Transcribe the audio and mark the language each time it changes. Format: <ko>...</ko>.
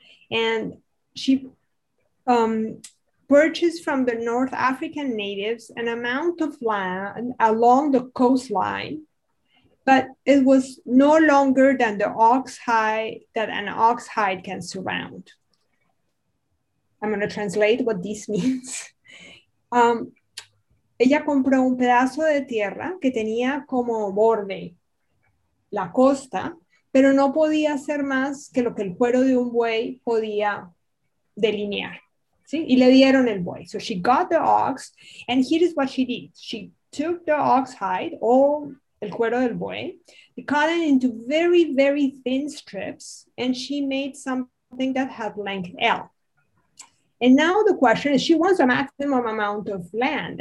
<en>And she purchased from the North African natives an amount of land along the coastline, but it was no longer than the ox hide that an ox hide can surround. I'm gonna translate what this means.</en> <es>Ella compró un pedazo de tierra que tenía como borde la costa, pero no podía hacer más que lo que el cuero de un buey podía delinear, ¿sí? Y le dieron el buey.</es> <en>So she got the ox, and here is what she did. She took the ox hide,</en> <es>o el cuero del buey,</es> <en>cut it into very, very thin strips, and she made something that had length L. And now the question is, she wants a maximum amount of land.</en>